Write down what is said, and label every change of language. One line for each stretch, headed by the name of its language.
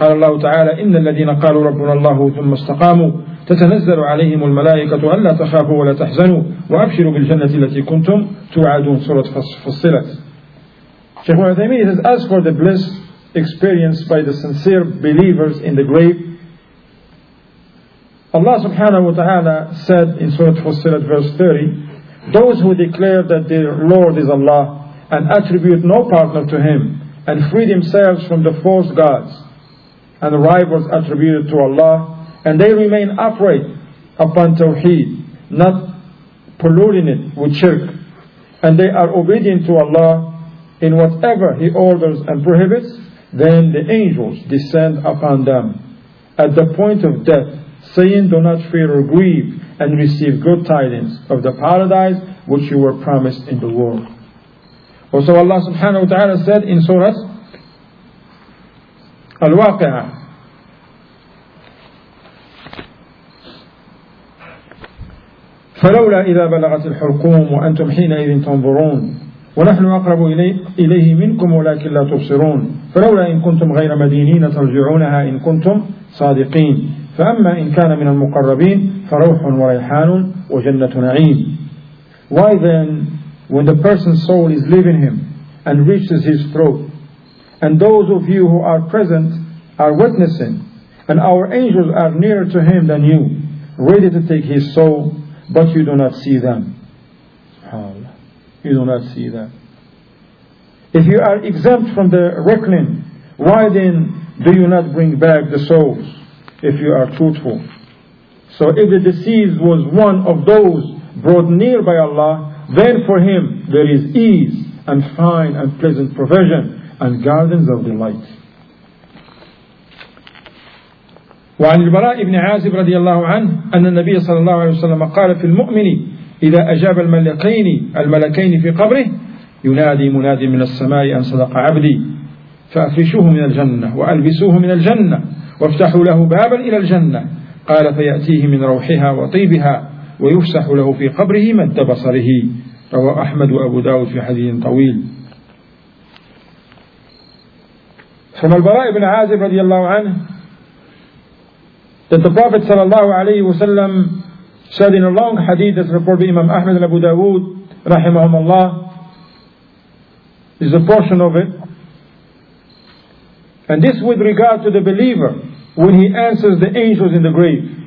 Arabic: قال الله تعالى, إِنَّ الَّذِينَ قَالُوا رَبُّنَا اللَّهُ ثُمَّ اسْتَقَامُوا تتنزل عليهم الملائكة ألا تخافوا ولا تحزنوا وأبشروا بالجنة التي كنتم توعدون. سورة فصلت.
English: Shaykh Ibn Uthaymeen says, as for the bliss experienced by the sincere believers in the grave, Allah subhanahu wa ta'ala said in Surah Fussilat verse 30, those who declare that their Lord is Allah and attribute no partner to Him and free themselves from the false gods and rivals attributed to Allah, and they remain upright upon Tawheed, not polluting it with shirk, and they are obedient to Allah in whatever He orders and prohibits, then the angels descend upon them at the point of death, saying, do not fear or grieve, and receive good tidings of the paradise which you were promised in the world. Also Allah subhanahu wa ta'ala said in Surah Al-Waqi'ah,
Arabic: فَلَوْلَا إِذَا بَلَغَتِ الْحُلْقُومُ وَأَنْتُمْ حِينَئِذٍ تَنْظُرُونَ وَنَحْنُ أَقْرَبُ إِلَيْهِ مِنْكُمْ وَلَكِنْ لَا تُبْصِرُونَ فَلَوْلَا إِنْ كُنْتُمْ غَيْرَ مَدِينِينَ تَرْجِعُونَهَا إِنْ كُنْتُمْ صَادِقِينَ فَأَمَّا إِنْ كَانَ مِنَ الْمُقَرَّبِينَ فَرَوْحٌ وَرَيْحَانٌ وَجَنَّةُ نَعِيمٍ.
English: Why then, when the person's soul is leaving him and reaches his throat, and those of you who are present are witnessing, and our angels are nearer to him than you, ready to take his soul, but you do not see them. You do not see them. If you are exempt from the reckoning, why then do you not bring back the souls if you are truthful? So if the deceased was one of those brought near by Allah, then for him there is ease and fine and pleasant provision and gardens of delight.
Arabic: وعن البراء بن عازب رضي الله عنه أن النبي صلى الله عليه وسلم قال في المؤمن إذا أجاب الملكين في قبره ينادي منادي من السماء أن صدق عبدي فأفرشوه من الجنة وألبسوه من الجنة وافتحوا له بابا إلى الجنة. قال فيأتيه من روحها وطيبها ويفسح له في قبره مد بصره. رواه أحمد وأبو داود في حديث طويل. ثم البراء بن عازب رضي الله عنه
English: that the Prophet sallallahu alayhi wa sallam said in a long hadith that's reported by Imam Ahmad and Abu Dawood rahimahumullah, is a portion of it, and this with regard to the believer when he answers the angels in the grave.